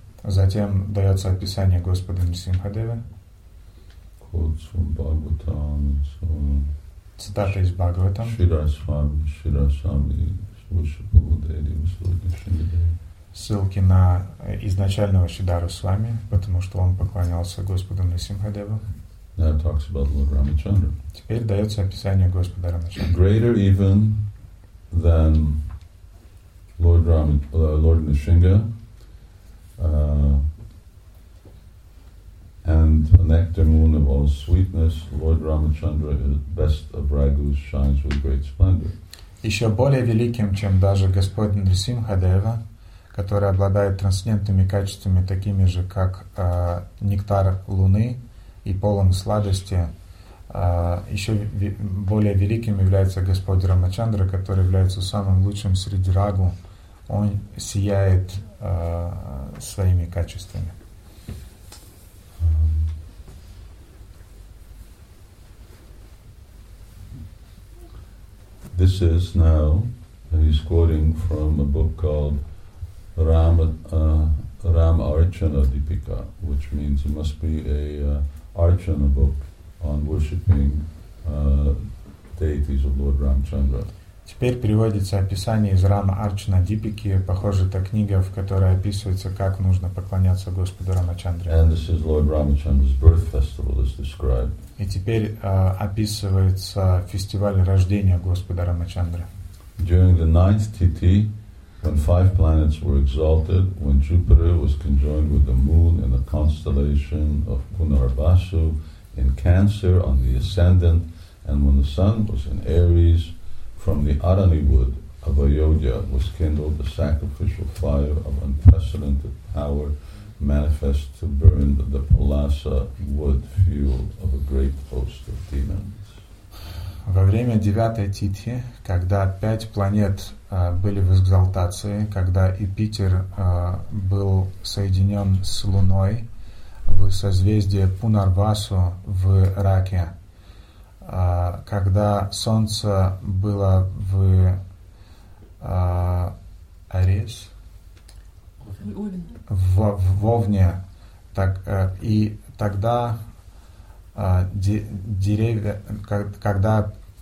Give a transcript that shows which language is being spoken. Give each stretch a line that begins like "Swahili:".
Russian: Затем дается описание Господа Нрисимхадевы.
English: Quotes from Bhagavatam and so on.
Russian: Цитата из Бхагаватам.
English: Shri Rasvami, Shri was Lord Nrisimhadeva.
Russian: Ссылки на изначального Шридхару Свами, потому что он поклонялся Господу Нрисимхадеву.
English: Now talks about Lord Ramachandra.
Russian: Теперь дается описание Господа Рамачандры.
English: Greater even than Lord Nrisimha, and a nectar moon of all sweetness, Lord Ramachandra, the best of ragus, shines with great splendor.
Russian: Еще более великим, чем даже Господь Нрисимхадева, который обладает трансцендентными качествами, такими же, как нектар луны и полон сладости, еще более великим является Господь Рамачандра, который является самым лучшим среди рагу. Он сияет своими качествами.
English: This is now, he's quoting from a book called Ram Archana Deepika, which means it must be a Archana book on worshipping deities of Lord Ramchandra.
Russian: Теперь приводится описание из Рама Арчана Дипики, похоже, это книга, в которой описывается, как нужно поклоняться Господу Рамачандре.
English: And this is Lord Ramachandra's birth festival, as described.
Russian: И теперь описывается фестиваль рождения Господа Рамачандры.
English: During the ninth titi, when five planets were exalted, when Jupiter was conjoined with the moon in the constellation of Punarvasu, in Cancer on the ascendant, and when the sun was in Aries, from the Arani wood of Ayodhya was kindled the sacrificial fire of unprecedented power, manifest to burn the palasa wood fuel of a great host of demons.
Russian: Во время девятой титхи, когда пять планет были в экзалтации, когда Юпитер был соединен с Луной в созвездии Пунарвасу в Раке, когда солнце было в Арес, в Овне, так, и тогда деревья, когда